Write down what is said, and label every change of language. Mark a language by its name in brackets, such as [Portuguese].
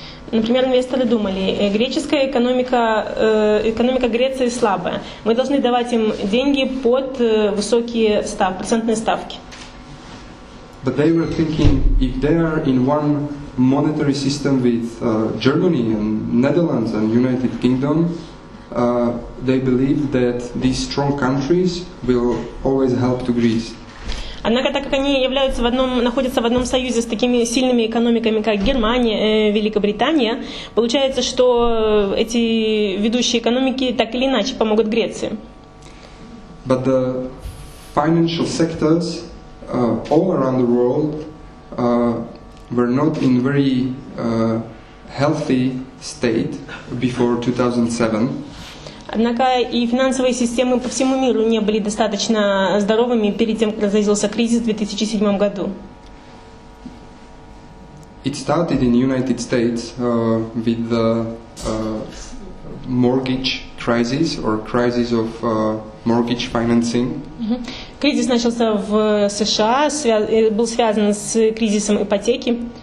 [Russian] Например, инвесторы думали, греческая экономика Греции слабая. Мы должны давать им деньги под высокие ставки, процентные ставки. [English] But they were thinking, if they are in one monetary system with Germany and Netherlands and United Kingdom, they believed that these strong countries will always help to Greece. [Russian] Однако, так как они находятся в одном союзе с такими сильными экономиками, как Германия, Великобритания, получается, что эти ведущие экономики так или иначе помогут Греции. [English] But the financial sectors all around the world were not in very healthy state before 2007. [Russian] Однако и финансовые системы по всему миру не были достаточно здоровыми перед тем, как разразился кризис в 2007 году. [English] It started in United States with the mortgage crisis or crisis of mortgage financing. [Russian] Кризис начался в США, был связан с кризисом ипотеки.